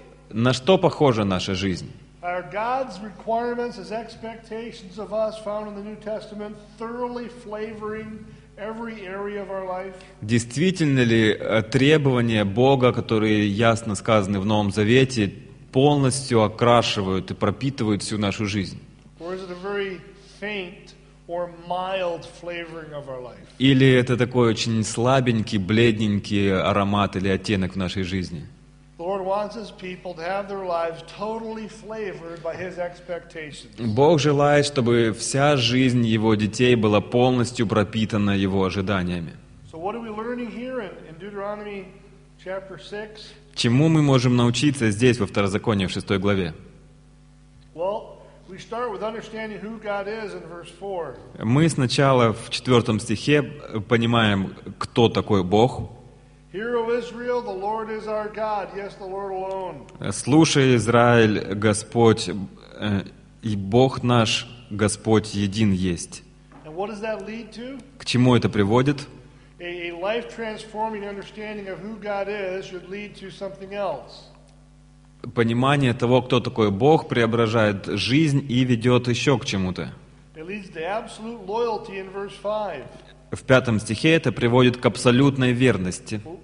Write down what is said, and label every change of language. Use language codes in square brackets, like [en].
[ru] На что похожа наша жизнь? [en] Are God's requirements, His expectations of us, found in the New Testament, thoroughly flavoring every area of our life? [ru] Действительно ли требования Бога, которые ясно сказаны в Новом Завете, полностью окрашивают и пропитывают всю нашу жизнь? [en] Or is it a very faint or mild flavoring of our life? [ru] Или это такой очень слабенький, бледненький аромат или оттенок в нашей жизни? [en] Lord wants His people to have their lives totally flavored by His expectations. [ru] Бог желает, чтобы вся жизнь Его детей была полностью пропитана Его ожиданиями. [en] So what are we learning here in Deuteronomy chapter 6? [ru] Чему мы можем научиться здесь во Второзаконии в 6 главе? [en] Well, we start with understanding who God is in verse 4. [ru] Мы сначала в 4 стихе понимаем, кто такой Бог. [en] Hear, O Israel, the Lord is our God. Yes, the Lord alone. [ru] Слушай, Израиль, Господь, и Бог наш, Господь един есть. [en] And what does that lead to? [ru] К чему это приводит? [en] A life-transforming understanding of who God is should lead to something else. [ru] Понимание того, кто такой Бог, преображает жизнь и ведет еще к чему-то. [en] It leads to absolute loyalty in verse 5. [ru] В 5 стихе это приводит к абсолютной верности.